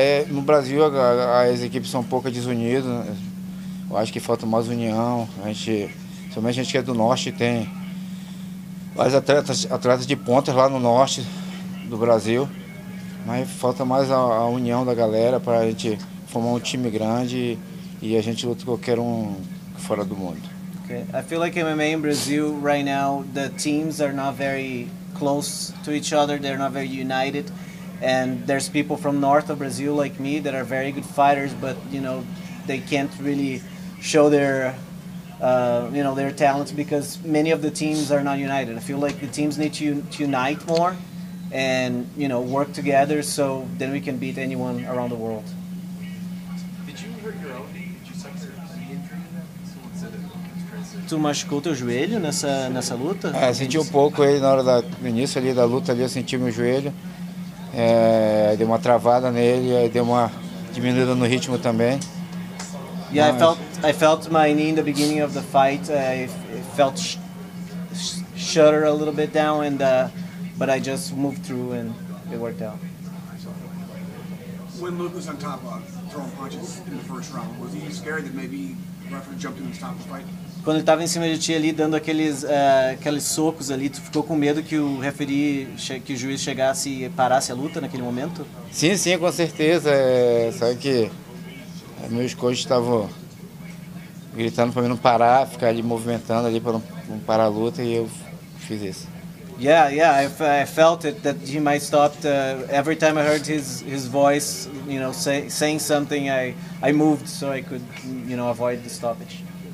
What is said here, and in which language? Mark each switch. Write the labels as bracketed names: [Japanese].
[Portuguese] No Brasil, as equipes são um pouco desunidas. Eu acho que falta mais união, principalmente a gente que é do Norte, tem vários atletas de pontas lá no Norte do Brasil, mas falta mais a união da galera para a gente formar um time grande e a gente luta qualquer um fora do mundo. [English] Okay. I feel like MMA in Brazil right now, the teams are not very close to each other, they're not very united, and there's people from north of Brazil like me that are very good fighters, but you know, they can't really show their talents because many of the teams are not united. I feel like the teams need to unite more and, you know, work together so then we can beat anyone around the world. Did you hurt your own knee? Did you suffer any injury in that? Someone said it. [Portuguese] Tu machucou teu joelho nessa luta? Senti um pouco aí na hora da no início ali da luta ali, eu senti meu joelho. Deu uma travada nele, aí deu uma diminuída no ritmo também. [English] Yeah, I felt my knee in the beginning of the fight. I felt shudder a little bit down, and but I just moved through and it worked out. When Luke was on top of throwing punches in the first round, was he scared that maybe the referee jumped in and stopped the fight? [Portuguese] Quando ele estava em cima de ti ali dando aqueles socos ali, tu ficou com medo que o referee, que o juiz chegasse e parasse a luta naquele momento? Sim, com certeza. Sabe que meus coaches estavam gritando para mim não parar, ficar ali movimentando ali para não parar a luta e eu fiz isso. [English] Yeah, I felt it, that he might stop. Every time I heard his voice, you know, saying something, I moved so I could, you know, avoid the stoppage.